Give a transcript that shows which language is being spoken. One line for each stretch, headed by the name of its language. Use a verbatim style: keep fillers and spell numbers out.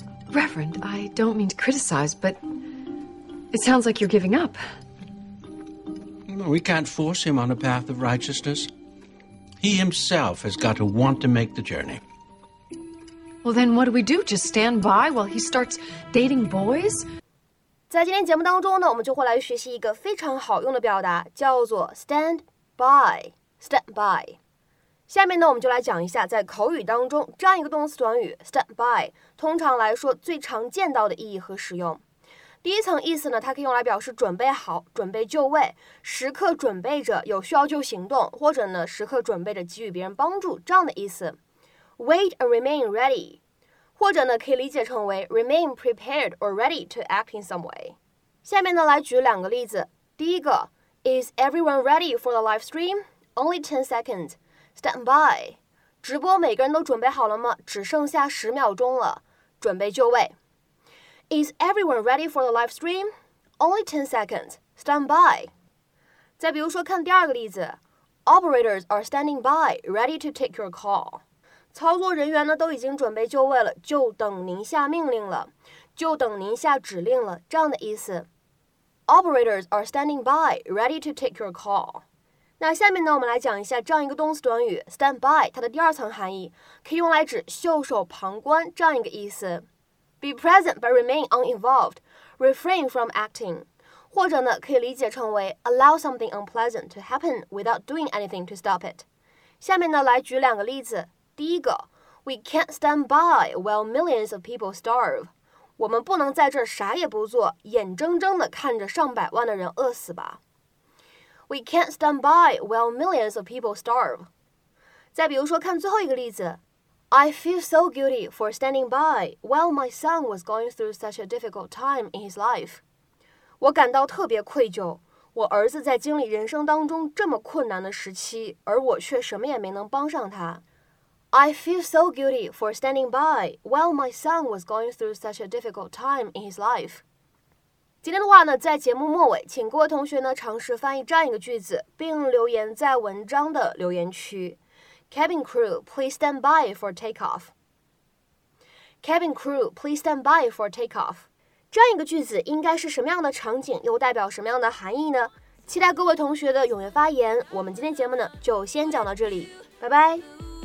English: Reverend, I don't mean to criticize, but it sounds like you're giving up. No, we can't force him on a path of righteousness. He himself has got to want to make the journey. Well, then what do we do? Just stand by while he starts dating boys?
Chinese: 在今天节目当中呢，我们就会来学习一个非常好用的表达，叫做 stand by, stand by。下面呢，我们就来讲一下在口语当中这样一个动词短语 stand by 通常来说最常见到的意义和使用。第一层意思呢，它可以用来表示准备好，准备就位，时刻准备着有需要就行动，或者呢时刻准备着给予别人帮助，这样的意思。
English: Wait and remain ready，
Chinese: 或者呢可以理解成为
English: remain prepared or ready to act in some way。
Chinese: 下面呢来举两个例子。第一个
English: Is everyone ready for the live stream? Only ten seconds.
Chinese: Stand by 直播每个人都准备好了吗？只剩下十秒钟了，准备就位。
English: Is everyone ready for the live stream? Only ten seconds. Stand by
Chinese: 再比如说看第二个例子
English: Operators are standing by, ready to take your call.
Chinese: 操作人员呢都已经准备就位了，就等您下命令了，就等您下指令了，这样的意思。
English: Operators are standing by, ready to take your call.
Chinese: 那下面呢，我们来讲一下这样一个动词短语 stand by 它的第二层含义，可以用来指袖手旁观这样一个意思。
English: Be present but remain uninvolved, refrain from acting，
Chinese: 或者呢可以理解成为
English: allow something unpleasant to happen without doing anything to stop it。
Chinese: 下面呢来举两个例子。第一个
English: We can't stand by while millions of people starve，
Chinese: 我们不能在这儿啥也不做，眼睁睁地看着上百万的人饿死吧。
English: We can't stand by while millions of people starve. 再比如说看最后一个例子 I feel so guilty for standing by while my son was going through such a difficult time in his life.
Chinese: 我感到特别愧疚，我儿子在经历人生当中这么困难的时期，而我却什么也没能帮上他。
English: I feel so guilty for standing by while my son was going through such a difficult time in his life.
Chinese: 今天的话呢，在节目末尾，请各位同学呢尝试翻译这样一个句子，并留言在文章的留言区。
English: Cabin crew, please stand by for takeoff. Cabin crew, please stand by for takeoff.
Chinese: 这样一个句子应该是什么样的场景，又代表什么样的含义呢？期待各位同学的踊跃发言。我们今天节目呢就先讲到这里，拜拜。